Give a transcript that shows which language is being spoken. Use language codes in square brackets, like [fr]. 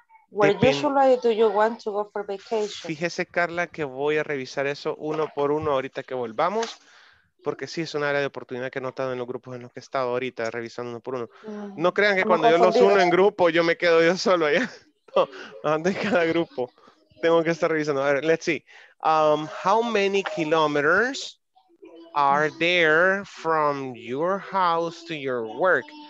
[en] Where usually do you want to go for vacation? [es] Fíjese, Carla, que voy a revisar eso uno por uno ahorita que volvamos. Porque sí es un área de oportunidad que he notado en los grupos en los que he estado ahorita, revisando uno por uno. No crean que cuando yo los uno en grupo, yo me quedo yo solo allá. No, ando en cada grupo. Tengo que estar revisando. A ver, [en] let's see. How many kilometers are there from your house to your work?